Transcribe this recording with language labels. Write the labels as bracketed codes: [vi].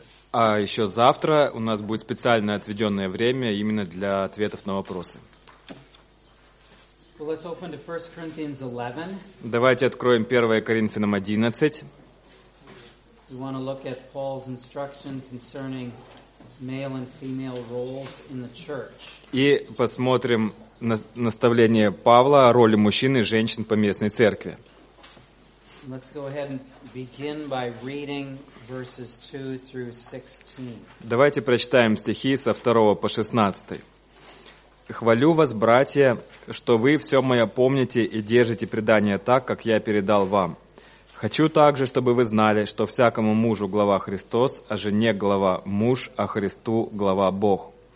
[ru] А еще завтра у нас будет специальное отведенное время именно для ответов на вопросы. [en] Well, let's open to 1 Corinthians 11. [ru] Давайте откроем 1 Коринфянам 11. [en] We want to look at Paul's instruction concerning male and female roles in the church. [ru] И посмотрим наставление Павла о роли мужчин и женщин по местной церкви. [en] Let's go ahead and begin by reading verses 2 through 16. [ru] Давайте прочитаем стихи со 2 по 16. Хвалю вас, братья, что вы все мое помните и держите предание так, как я передал вам. Хочу также, чтобы вы знали, что всякому мужу глава Христос, а жене глава муж, а Христу глава Бог.